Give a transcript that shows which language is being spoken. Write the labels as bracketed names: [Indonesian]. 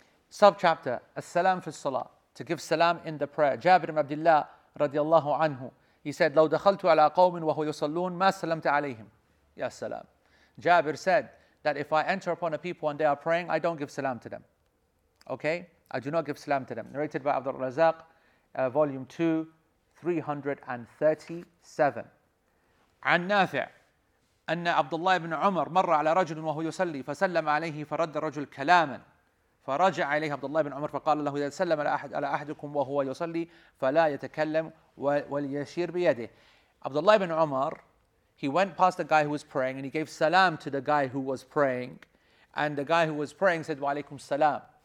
[English] Subchapter, As-Salam fi Salah, to give salam in the prayer. [Arabic] Jabir ibn Abdullah radiallahu anhu, [English] he said, [Arabic] لو دخلت على قوم وهو يصلون ما سلمت عليهم. Ya salam. [English] Jabir said that if I enter upon a people and they are praying, I don't give salam to them. Okay? I do not give salam to them. Narrated by Abdul Razak, volume 2, 337. [Arabic] عن نافع أن عبد الله بن عمر مر على رجل وهو يصلي فسلم عليه فرد الرجل كلاما. فرجع إليه عبد الله بن عمر فقال له إذا سلم على أحد على أحدكم وهو يصلي فلا يتكلم وليشير بيده. [English] عبد الله بن عمر, he went past the guy who was praying and he gave salam to the guy who was praying, and the guy who was praying said wa alaykum salam.